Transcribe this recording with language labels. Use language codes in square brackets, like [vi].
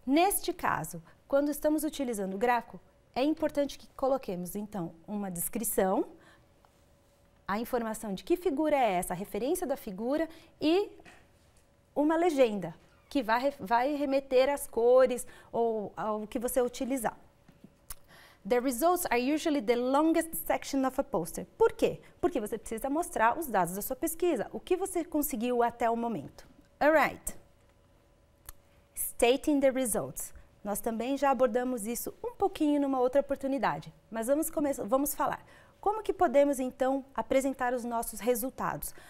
[pt] Neste caso, quando estamos utilizando o gráfico, é importante que coloquemos, então, uma descrição, a informação de que figura é essa, a referência da figura e uma legenda que vai remeter às cores ou ao que você utilizar. [en] The results are usually the longest section of a poster. [pt] Por quê? Porque você precisa mostrar os dados da sua pesquisa, o que você conseguiu até o momento. All right. [en] Stating the results. [pt] Nós também já abordamos isso um pouquinho numa outra oportunidade, mas vamos falar. Como que podemos, então, apresentar os nossos resultados?